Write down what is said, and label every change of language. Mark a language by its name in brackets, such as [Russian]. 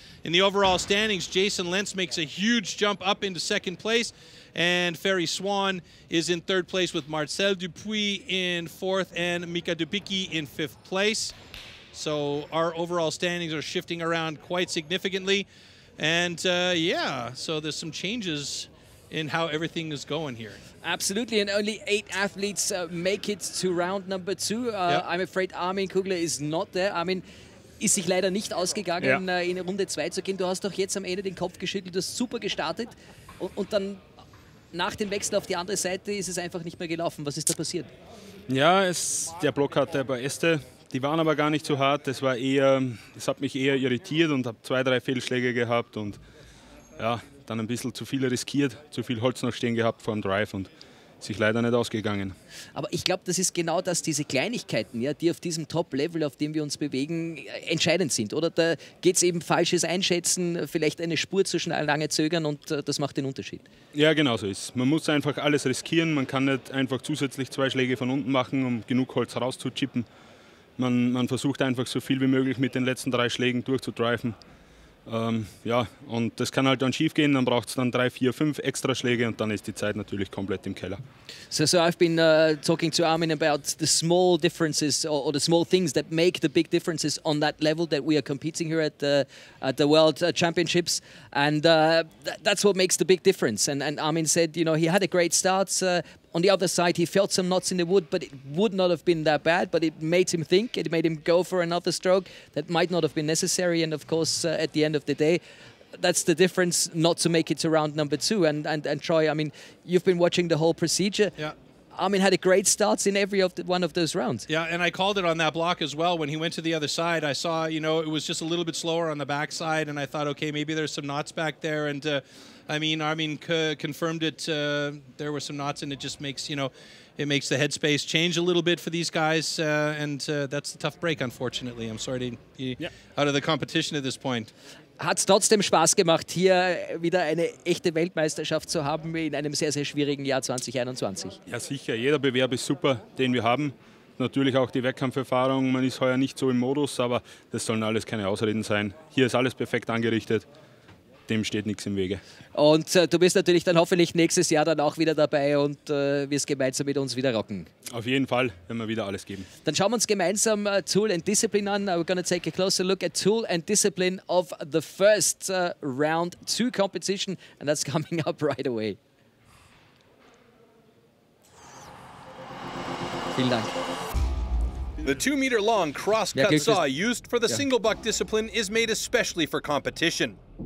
[English] In the overall standings, Jason Lentz makes a huge jump up into second place, and Ferry Swan is in third place with Marcel Dupuy in fourth and Mika Dubicki in fifth place. So our overall standings are shifting around quite significantly. And so there's some changes in how everything is going here. Absolutely, and only 8 athletes make it to round number 2. I'm afraid Armin Kugler is not there. [German] Armin ist sich leider nicht ausgegangen, in Runde 2 zu gehen. Du hast doch jetzt am Ende den Kopf geschüttelt, du hast super gestartet. Und dann nach dem Wechsel auf die andere Seite ist es einfach nicht mehr gelaufen. Was ist da passiert? Ja, der Block hatte bei Äste. Die waren aber gar nicht so hart, das hat mich eher irritiert und habe 2, 3 Fehlschläge gehabt und ja, dann ein bisschen zu viel riskiert, zu viel Holz noch stehen gehabt vor dem Drive und sich leider nicht ausgegangen. Aber ich glaube, das ist genau das, diese Kleinigkeiten, ja, die auf diesem Top-Level, auf dem wir uns bewegen, entscheidend sind. Oder da geht es eben falsches Einschätzen, vielleicht eine Spur zu schnell lange zögern und das macht den Unterschied. Ja, genau so ist es. Man muss einfach alles riskieren. Man kann nicht einfach zusätzlich zwei Schläge von unten machen, um genug Holz rauszuchippen. Man versucht einfach so viel wie möglich mit den letzten drei Schlägen durchzudriven. Ja, und das kann halt dann schief gehen, dann braucht es dann 3, 4, 5 extra Schläge und dann ist die Zeit natürlich komplett im Keller. [English] So I've been talking to Armin about the small differences or the small things that make the big differences on that level that we are competing here at the World Championships, and that's what makes the big difference. And Armin said, you know, he had a great start. On the other side, he felt some knots in the wood, but it would not have been that bad. But it made him think. It made him go for another stroke that might not have been necessary. And of course, at the end of the day, that's the difference not to make it to round number two. And Troy, I mean, you've been watching the whole procedure. Yeah. Armin had a great start in one of those rounds. Yeah, and I called it on that block as well. When he went to the other side, I saw, you know, it was just a little bit slower on the backside. And I thought, okay, maybe there's some knots back there. And I mean, Armin confirmed it. There were some knots, and it just makes, you know, it makes the headspace change a little bit for these guys. That's a tough break, unfortunately. I'm sorry to be out of the competition at this point. [German] Hat es trotzdem Spaß gemacht, hier wieder eine echte Weltmeisterschaft zu haben in einem sehr, sehr schwierigen Jahr 2021? Ja, sicher. Jeder Bewerb ist super, den wir haben. Natürlich auch die Wettkampferfahrung. Man ist heuer nicht so im Modus, aber das sollen alles keine Ausreden sein. Hier ist alles perfekt angerichtet. Dem steht nichts im Wege. Und du bist natürlich dann hoffentlich nächstes Jahr dann auch wieder dabei und wirst gemeinsam mit uns wieder rocken. Auf jeden Fall, wenn wir wieder alles geben. Dann schauen wir uns gemeinsam Tool and Discipline an. [English] We're going to take a closer look at Tool and Discipline of the first round 2 competition. And that's coming up right away. [German] Vielen Dank. [English] The 2-meter-long cross-cut saw used for the single buck discipline is made especially for competition.